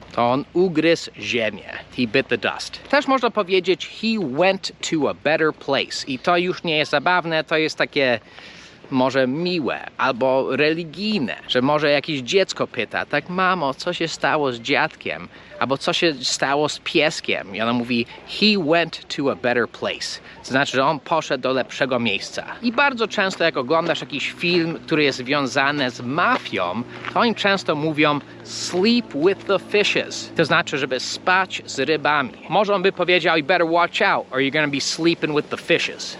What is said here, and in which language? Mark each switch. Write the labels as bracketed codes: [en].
[pl] To on ugryzł ziemię. [en] He bit the dust. [pl] Też można powiedzieć [en] he went to a better place. [pl] I to już nie jest zabawne, to jest takie może miłe albo religijne. Że może jakieś dziecko pyta, tak mamo, co się stało z dziadkiem? Albo co się stało z pieskiem? I ona mówi [en] he went to a better place. [pl] To znaczy, że on poszedł do lepszego miejsca. I bardzo często jak oglądasz jakiś film, który jest związany z mafią, to oni często mówią [en] sleep with the fishes. [pl] To znaczy, żeby spać z rybami. Może on by powiedział [en] you better watch out or you're gonna be sleeping with the fishes.